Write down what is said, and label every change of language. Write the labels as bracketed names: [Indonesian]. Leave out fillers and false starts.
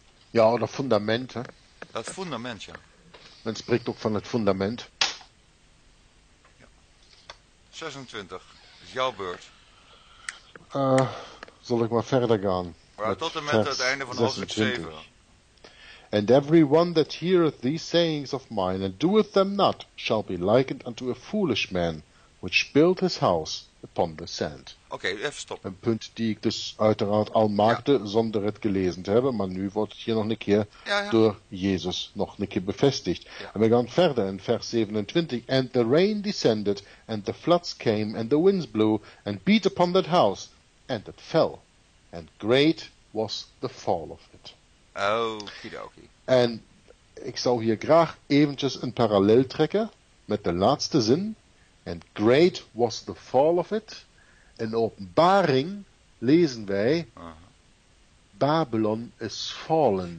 [Dutch] Ja, dat fundament, hè? Dat fundament, ja. Men spreekt ook van het fundament. Ja. 26, is jouw beurt. Zal ik maar verder gaan? Ja, tot en met het einde van hoofdstuk 7. [English] And every one that heareth these sayings of mine, and doeth them not, shall be likened unto a foolish man, which built his house upon the sand. [Dutch] Oké, okay, even stoppen. Een punt die ik dus uiteraard al maakte zonder het gelezen te hebben, maar nu wordt het hier nog een keer door Jezus nog een keer bevestigd. Ja. En we gaan verder in vers 27. [English] And the rain descended, and the floods came, and the winds blew, and beat upon that house, and it fell. And great was the fall of it. [Dutch] Okidoki. En ik zou hier graag eventjes een parallel trekken met de laatste zin. [English] And great was the fall of it. [Dutch] In Openbaring lezen wij, [English] Babylon is fallen.